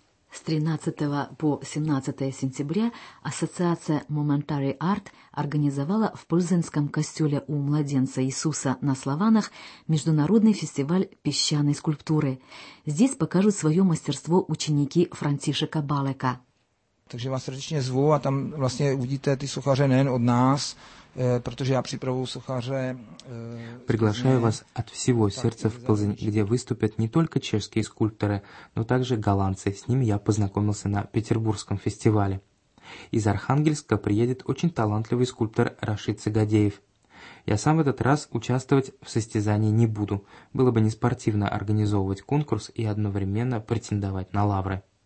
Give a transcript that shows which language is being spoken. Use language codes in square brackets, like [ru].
[ru] С 13 по 17 сентября ассоциация Momentary Art организовала в Пользенском костеле у младенца Иисуса на Слованах международный фестиваль песчаной скульптуры. Здесь покажут свое мастерство ученики Франтишека Балека. [cs] Takže vás srdečně zvu a tam vlastně uvidíte ty sochaře nejen od nás, protože já připravuju sochaře. [ru] Приглашаю вас от всего сердца в Плзень, где выступят не только чешские скульпторы, но также голландцы. С ними я познакомился на Петербургском фестивале. Из Архангельска приедет очень талантливый скульптор Рашид Сагадеев. Я сам в этот раз участвовать в состязании не буду. Было бы неспортивно организовывать конкурс и одновременно претендовать на лавры.